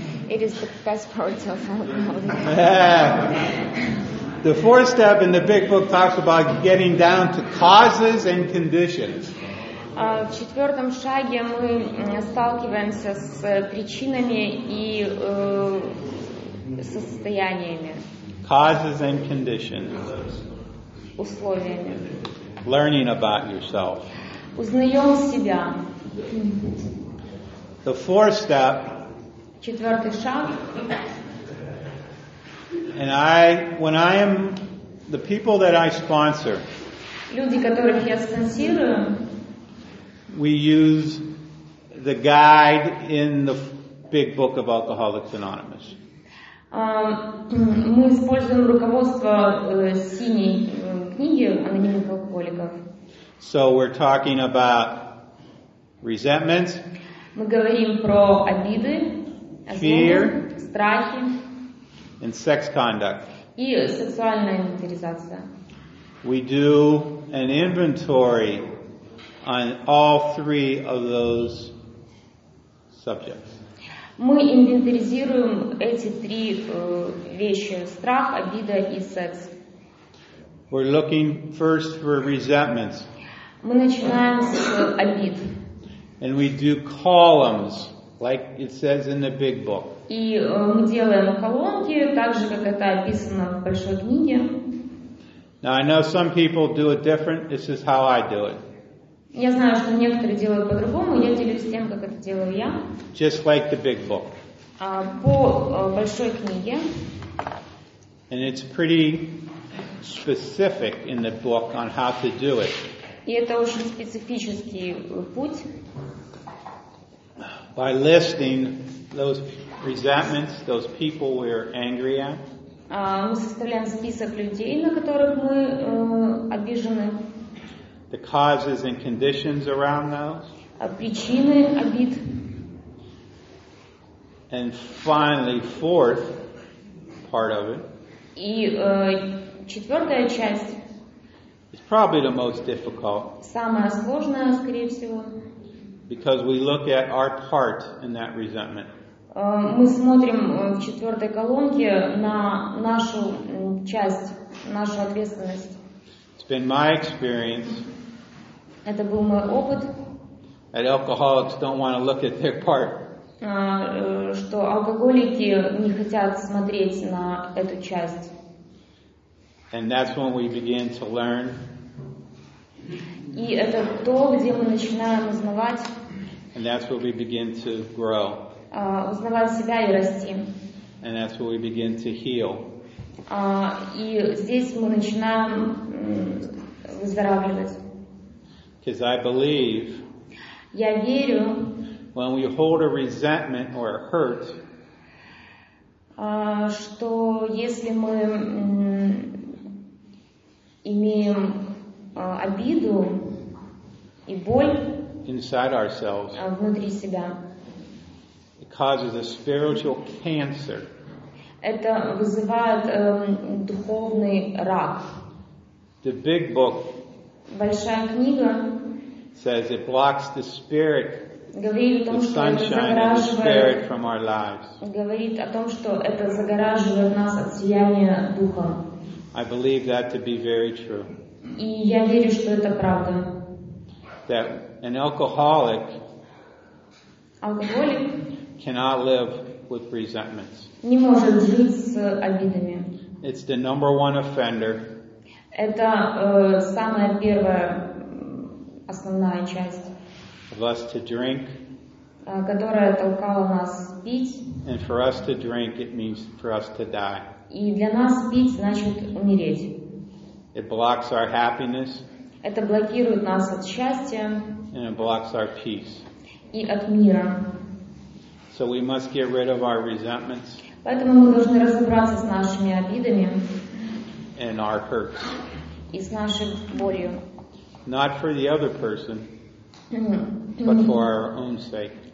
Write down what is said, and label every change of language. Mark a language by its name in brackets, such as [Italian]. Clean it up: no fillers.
[English] It is the best part of all the world. The fourth step in the big book talks about getting down to causes and conditions. [Russian] В четвертом шаге мы сталкиваемся с причинами и состояниями. [English] Causes and conditions. [Russian] Условиями. [English] Learning about yourself. [Russian] Узнаем себя. [English] The fourth step. [Russian] Четвертый шаг. [English] And when I am the people that I sponsor. [Russian] Люди, которых я спонсирую. [English] We use the guide in the big book of Alcoholics Anonymous. [Russian] Мы используем руководство синей книги анонимных алкоголиков. [English] So we're talking about resentments. [Russian] Мы говорим про обиды, [English] fear, [Russian] страхи, [English] and sex conduct. [Russian] И сексуальная инвентаризация. [English] We do an inventory on all three of those subjects. [Russian] Мы инвентаризируем эти три вещи: страх, обида и секс. [English] We're looking first for resentments. [Russian] Мы начинаем с обид. [English] And we do columns, like it says in the big book. [Russian] И мы делаем колонки, так же как это описано в большой книге. [English] Now I know some people do it different. This is how I do it. [Russian] Я знаю, что некоторые делают по-другому, я делюсь тем, как это делаю я. [English] Just like the big book. [Russian] По большой книге. [English] And it's pretty specific in the book on how to do it. [Russian] И это очень специфический путь. [English] By listing those resentments, those people we're angry at. [Russian] Мы составляем список людей, на которых мы обижены. [English] The causes and conditions around those. [Russian] Причины обид. [English] And finally, fourth part of it. [Russian] И четвертая часть. [English] It's probably the most difficult. [Russian] Самая сложная, скорее всего. [English] Because we look at our part in that resentment. [Russian] Мы смотрим в четвертой колонке на нашу часть, нашу ответственность. [English] It's been my experience. [Russian] Это был мой опыт. [English] That alcoholics don't want to look at their part. [Russian] Что алкоголики не хотят смотреть на эту часть. [English] And that's when we begin to learn. [Russian] И это то, где мы начинаем узнавать. [English] And that's where we begin to grow. [Russian] Узнавать себя и расти. [English] And that's where we begin to heal. [Russian] И здесь мы начинаем выздоравливать. [English] Because I believe. [Russian] Я верю. [English] When we hold a resentment or a hurt. [Russian] Что если мы имеем обиду и боль. [English] Inside ourselves. [Russian] Внутри себя. [English] It causes a spiritual cancer. [Russian] Это вызывает духовный рак. [English] The big book. [Russian] Большая книга. [English] Says it blocks the spirit. [Russian] Говорит о том, [English] the sunshine and the spirit from our lives. [Russian] Говорит о том, что это загораживает нас от сияния духа. [English] I believe that to be very true. [Russian] И я верю, что это правда. [English] That an alcoholic, [Russian] алкоголик, [English] cannot live with resentments. [Russian] Не может жить с обидами. [English] It's the number one offender. [Russian] Это самая первая основная часть. [English] For us to drink, [Russian] которая толкала нас пить. [English] And for us to drink, it means for us to die. [Russian] И для нас пить значит умереть. [English] It blocks our happiness. [Russian] Это блокирует нас от счастья. [English] And it blocks our peace. [Russian] И от мира. [English] So we must get rid of our resentments. [Russian] Поэтому мы должны разобраться с нашими обидами. [English] And our hurts. [Russian] И с нашей болью. [English] Not for the other person, but for our own sake.